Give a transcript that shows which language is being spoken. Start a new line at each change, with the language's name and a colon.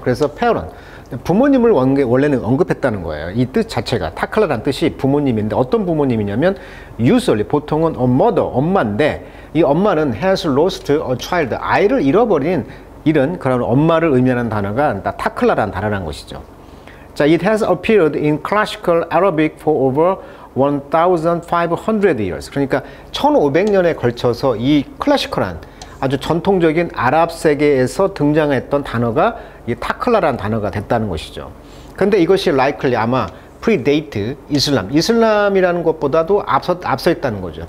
Korean: 그래서 parent, 부모님을 원래는 언급했다는 거예요. 이 뜻 자체가, 타클라란 뜻이 부모님인데, 어떤 부모님이냐면 usually, 보통은
English: a mother,
Korean: 엄마인데, 이 엄마는
English: has lost a child,
Korean: 아이를 잃어버린 이런 그런 엄마를 의미하는 단어가 타클라란 단어라는 것이죠.
English: 자, it has appeared in classical Arabic for over 1,500 years.
Korean: 그러니까 1,500년에 걸쳐서 이 클래시컬한 아주 전통적인 아랍 세계에서 등장했던 단어가 이 타클라란 단어가 됐다는 것이죠. 근데 이것이 likely 아마 predate 이슬람이라는 것보다도 앞서 있다는 거죠.